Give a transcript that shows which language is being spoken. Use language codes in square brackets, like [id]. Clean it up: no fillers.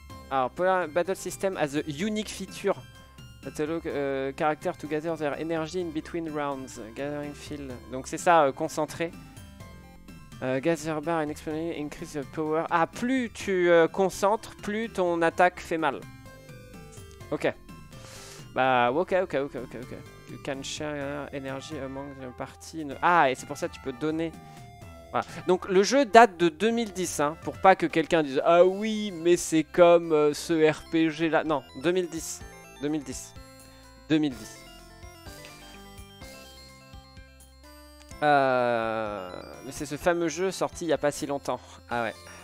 [en] Alors, Polar Battle System has a unique feature. Battle character to gather their energy in between rounds. Gathering field. [fr] Donc c'est ça, concentré. [en] Gather bar and explosion increase your power. [fr] Ah, plus tu concentres, plus ton attaque fait mal. Ok. Bah, ok. [en] You can share energy among your party. [fr] Ah, et c'est pour ça que tu peux donner. Voilà. Donc le jeu date de 2010, hein, pour pas que quelqu'un dise ah oui, mais c'est comme ce RPG-là. Non, 2010. 2010. 2010. Mais c'est ce fameux jeu sorti il n'y a pas si longtemps. Ah ouais.